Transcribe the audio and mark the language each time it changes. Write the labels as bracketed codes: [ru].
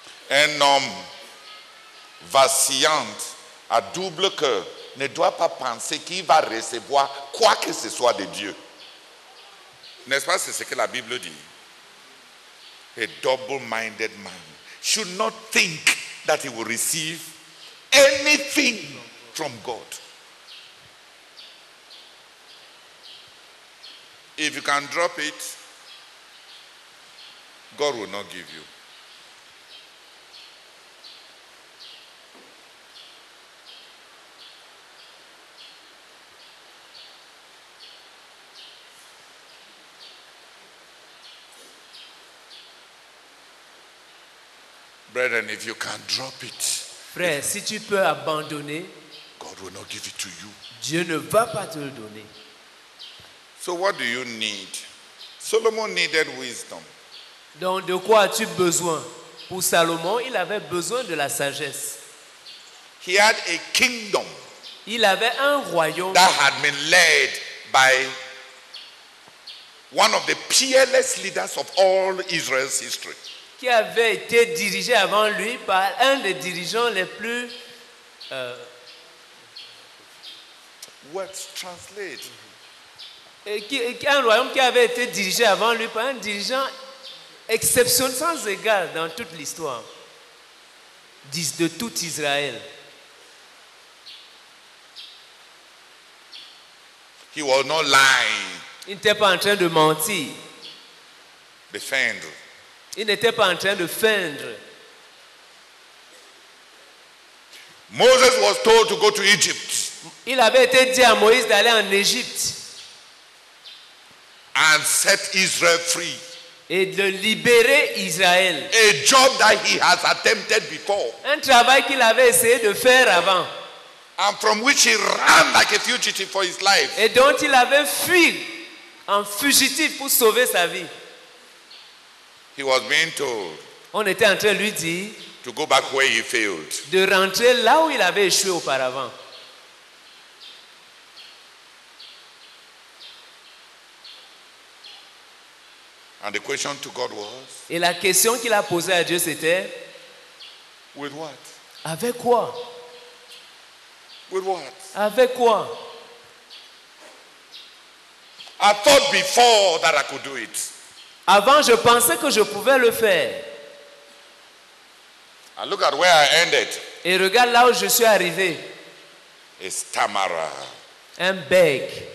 [fr] Un homme vacillant à double cœur ne doit pas penser qu'il va recevoir quoi que ce soit de Dieu. N'est-ce pas? C'est ce que la Bible dit. [en] A double-minded man should not think that he will receive anything from God. If you can drop it, God will not give you. Brethren, if you can drop it, [fr] frère, si tu peux abandonner, [en] God will not give it to you. [fr] Dieu ne va pas te le donner. [en] So what do you need? Solomon needed wisdom. [fr] Donc de quoi as-tu besoin? Pour Salomon, il avait besoin de la sagesse. [en] He had a kingdom. [fr] Il avait un royaume. [en] That had been led by one of the peerless leaders of all Israel's history. [fr] Qui avait été dirigé avant lui par un des dirigeants les plus. [en] What's translate? [fr] Un royaume qui avait été dirigé avant lui par un dirigeant exceptionnel, sans égal dans toute l'histoire de tout Israël. [en] He was not lying. [fr] Il n'était pas en train de mentir. Defendre. Il n'était pas en train de feindre. [en] Moses was told to go to Egypt. [fr] Il avait été dit à Moïse d'aller en Égypte. [en] And set Israel free. [fr] Et de libérer Israël. [en] A job that he has attempted before. [fr] Un travail qu'il avait essayé de faire avant. [en] And from which he ran like a fugitive for his life. [fr] Et dont il avait fui en fugitif pour sauver sa vie. [en] He was being told. [fr] On était en train de lui dire. [en] To go back where he failed. [fr] De rentrer là où il avait échoué auparavant. [en] And the question to God was. [fr] Et la question qu'il a posée à Dieu c'était. [en] With what? [fr] Avec quoi? [en] With what? [fr] Avec quoi? [en] I thought before that I could do it. [fr] Avant, je pensais que je pouvais le faire. [en] And look at where I ended. [fr] Et regarde là où je suis arrivé. [en] A stammerer. [fr] Un beg.